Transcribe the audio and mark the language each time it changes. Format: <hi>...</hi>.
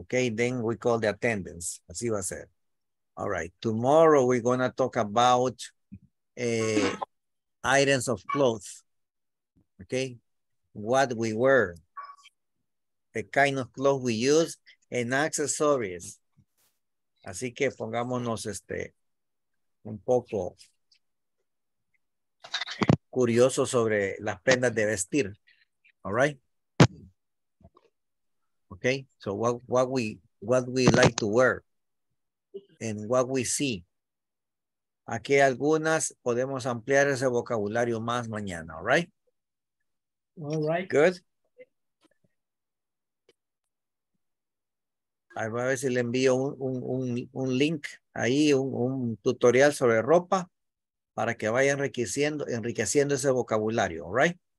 <en>Okay. Then we call the attendance.</en> <es>Así va a ser.</es> <en>All right. Tomorrow we're going to talk about items of clothes. Okay. What we wear. The kind of clothes we use and accessories.</en> <es>Así que pongámonos un poco curioso sobre las prendas de vestir.</es> <en>All right? Okay, so what we like to wear and what we see.</en> <es>Aquí algunas podemos ampliar ese vocabulario más mañana.</es> <en>All right? All right. Good.</en> <es>A ver si le envío un link ahí, un tutorial sobre ropa para que vaya enriqueciendo ese vocabulario,</es> <en>right?</en>